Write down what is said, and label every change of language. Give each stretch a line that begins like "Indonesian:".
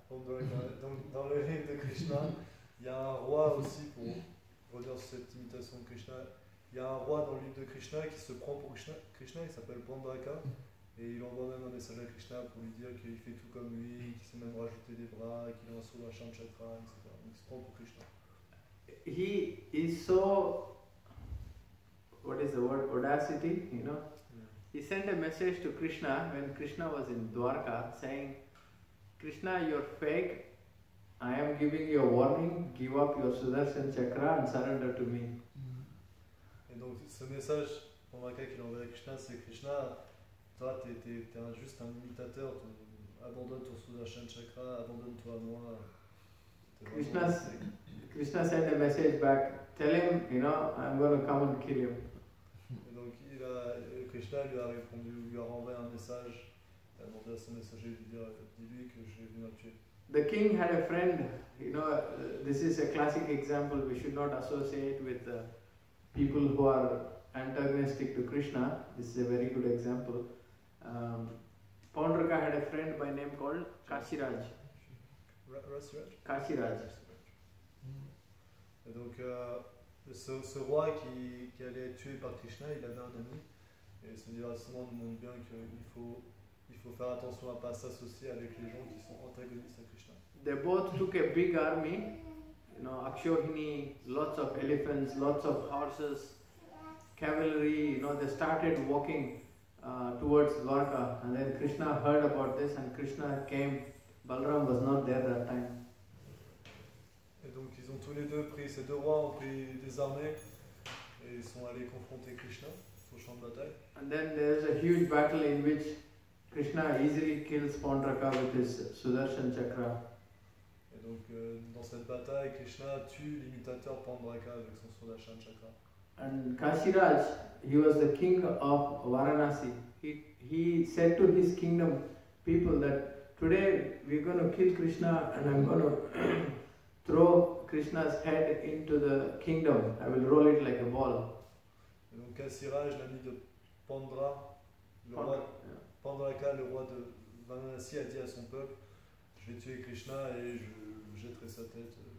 French: Dans le rêve de Krishna, il y a un roi aussi pour... Dans cette imitation de Krishna, il y a un roi dans l'île de Krishna qui se prend pour Krishna, il s'appelle Pandraka, et il envoie même un message à Krishna pour lui dire qu'il fait tout comme lui, qu'il sait même rajouter des bras, qu'il a un Sudarshan chakra, etc. Donc il se prend pour Krishna.
English: He is so, what is the word, audacity, you know? Yeah. He sent a message to Krishna when Krishna was in Dwarka saying, Krishna, you're fake. I am giving you a warning, give up your Sudarshan chakra and surrender to me.
French: Et donc ce message pour Maka qu'il envoie à Krishna, c'est Krishna, toi t'es juste un imitateur, abandonne ton Sudarshan chakra, abandonne-toi à moi.
English: Krishna sent a message back, tell him, you know, I'm going to come and kill him.
French: Et donc Krishna lui a répondu, lui a renvoyé un message, il a demandé à son messager de dis-lui que je vais venir le tuer.
English: The king had a friend, you know, this is a classic example, we should not associate with people who are antagonistic to Krishna, this is a very good example. Pondraka had a friend by name called Kashiraj. Kashiraj.
French: Et donc, ce roi qui allait être tué par Krishna, il avait un ami, et ce divertissement nous montre bien qu'il faut... Il faut faire attention à ne pas s'associer avec les gens qui sont antagonistes à Krishna.
English: They both took a big army, you know, Akshohini, lots of elephants, lots of horses, cavalry, you know, they started walking towards Dwarka, and then Krishna heard about this and Krishna came. Balaram was not there that time.
French: Et donc ils ont tous les deux pris, ces deux rois ont pris des armées et ils sont allés confronter Krishna au champ de bataille.
English: And then there's a huge battle in which Krishna easily kills Pondraka with his Sudarshan chakra.
French: Et donc dans cette bataille, Krishna tue l'imitateur Pondraka avec son Sudarshan chakra.
English: And Kashiraj, he was the king of Varanasi. He said to his kingdom people that today we are going to kill Krishna and I am going to throw Krishna's head into the kingdom. I will roll it like a ball.
French: Donc Kashiraj, l'ami de Pandra, le roi, Pandraka, le roi de Varanasi, a dit à son peuple, je vais tuer Krishna et je jetterai sa tête.